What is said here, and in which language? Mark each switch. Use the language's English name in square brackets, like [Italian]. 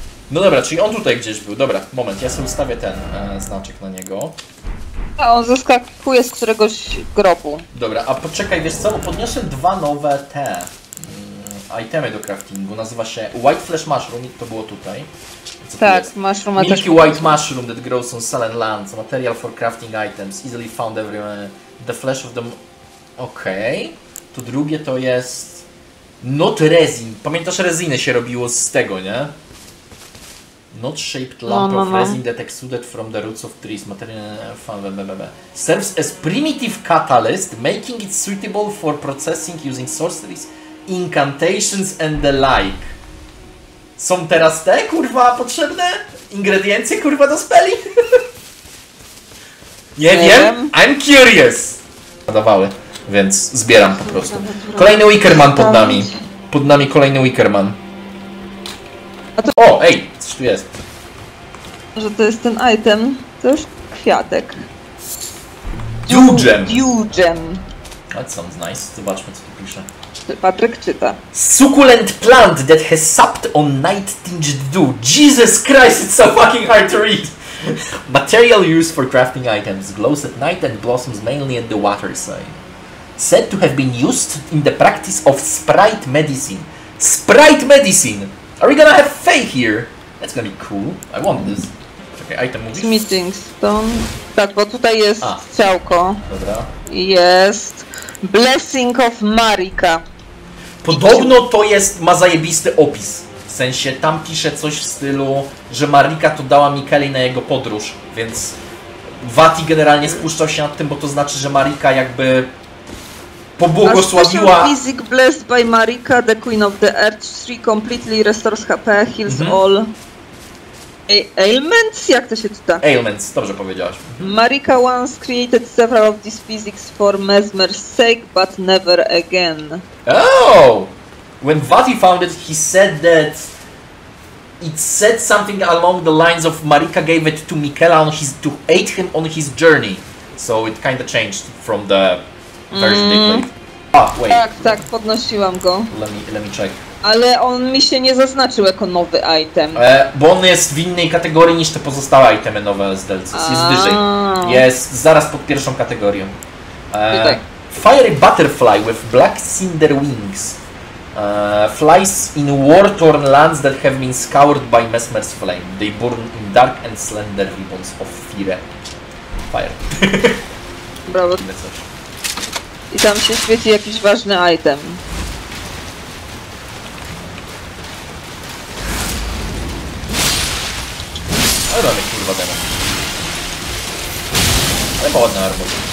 [Polish] No dobra, czyli on tutaj gdzieś był. Dobra, moment, ja sobie ustawię ten znaczek na niego. A on zeskakuje z któregoś grobu. Dobra, a poczekaj, wiesz co, podniosę dwa nowe te itemy do craftingu. Nazywa się White Flesh Mushroom, to było tutaj. Tak, mushroom też... [English] Milky White Mushroom that grows on Salen Lands. Material for crafting items, easily found everywhere. The flesh of the... Okej. Okay. [Polish] To drugie to jest... [English] Not resin. [Polish] Pamiętasz, reziny się robiło z tego, nie? [English] Not shaped lump of resin that exuded from the roots of trees. Material found... Serves as primitive catalyst, making it suitable for processing using sorceries, incantations and the like. [Polish] Są teraz te, kurwa, potrzebne? Ingrediencje, kurwa, do speli? Nie wiem. [English] I'm curious! [Polish] Nadawały, więc zbieram po prostu. Kolejny Wickerman pod nami. Pod nami kolejny Wickerman. O, ej, coś tu jest. Może to jest ten item? To już kwiatek. [English] Dew gem. That sounds nice. [Polish] Zobaczmy, co tu pisze. Patryk czyta. [English] Succulent plant that has supped on night-tinged dew. Jesus Christ, it's so fucking hard to read! Material used for crafting items glows at night and blossoms mainly in the waterside. Said to have been used in the practice of sprite medicine. Sprite medicine! Are we gonna have Fae here? That's gonna be cool. I want this. Okay, item movie. Smithing Stone. [Polish] Tak, bo tutaj jest ciałko. Dobra. Jest Blessing of Marika. Podobno to jest, ma zajebisty opis. W sensie, tam pisze coś w stylu, że Marika to dała Mikeli na jego podróż, więc Vati generalnie spuszczał się nad tym, bo to znaczy, że Marika jakby pobłogosławiła... [English] A physic blessed by Marika, the queen of the earth, she completely restores HP, heals all... Ailments? [Polish] Jak to się czyta? Ailments, dobrze powiedziałaś. [English] Marika once created several of these physics for Mesmer's sake, but never again. Oh! When Vati found it, he said that it said something along the lines of Marika gave it to Mikela on his, to aid him on his journey. So it kind of changed from the version they played. Ah, wait. [Polish] Tak, tak, podnosiłam go. [English] Let me check. [Polish] Ale on mi się nie zaznaczył jako nowy item. Bo on jest w innej kategorii niż te pozostałe itemy nowe z DLCs. Jest wyżej. Jest zaraz pod pierwszą kategorią. [English] Fiery butterfly with black cinder wings. Flies in war-torn lands that have been scoured by Mesmer's flame. They burn in dark and slender ribbons of fire. Fire. [Polish] Brawo. I tam się świeci jakiś ważny item. Ale mamy kurwa demo. Ale ma ładne armor.